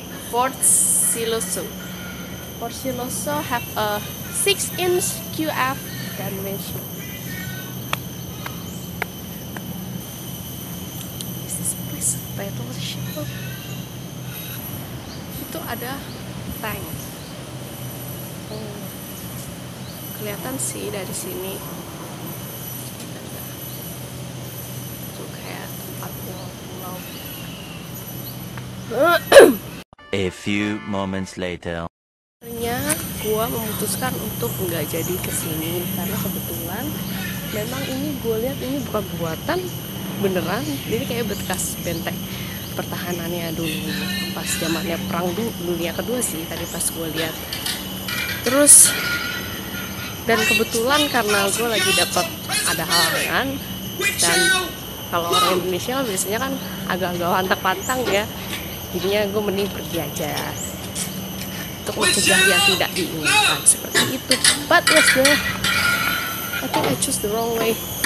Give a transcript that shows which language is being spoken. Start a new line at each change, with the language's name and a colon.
English: Fort Siloso. Fort Siloso have a 6-inch QF dimension. Is this place a battleship?
Indonesian: Itu ada tank. Oh, kelihatan sih dari sini. Itu kayak tempat pulau.
English: A few moments later.
Indonesian: Akhirnya gua memutuskan untuk enggak jadi kesini karena kebetulan memang ini gua lihat ini bukan buatan beneran. Ini kayak bekas benteng pertahanannya dulu pas zamannya perang dunia kedua sih tadi pas gua lihat. Terus dan kebetulan karena gua lagi dapat ada halangan dan kalau orang Indonesia biasanya kan agak-agak hantek-pantang ya. Jadinya gue mending pergi aja untuk mencegah yang tidak diinginkan seperti itu.
English: But yes,
Indonesian: gue
English: I think I choose the wrong way.